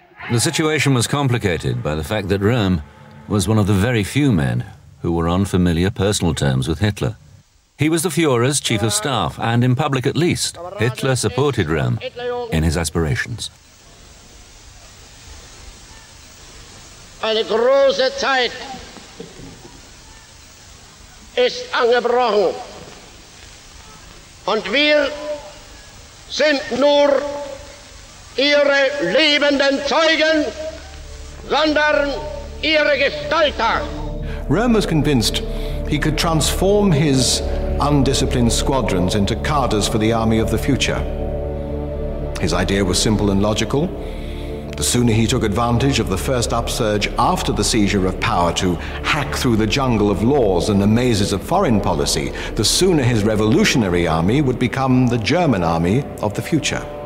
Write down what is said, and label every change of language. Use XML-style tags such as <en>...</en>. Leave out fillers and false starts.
<en>the situation was complicated by the fact that Röhm was one of the very few men who were on familiar personal terms with Hitler. He was the Führer's chief of staff, and in public at least, Hitler supported Röhm in his aspirations.</en> <de>Eine große Zeit ist angebrochen, und wir sind nur Ihre lebenden Zeugen, sondern Ihre Gestalter.</de> <en>Röhm was convinced he could transform his undisciplined squadrons into cadres for the army of the future. His idea was simple and logical. The sooner he took advantage of the first upsurge after the seizure of power to hack through the jungle of laws and the mazes of foreign policy, the sooner his revolutionary army would become the German army of the future.</en>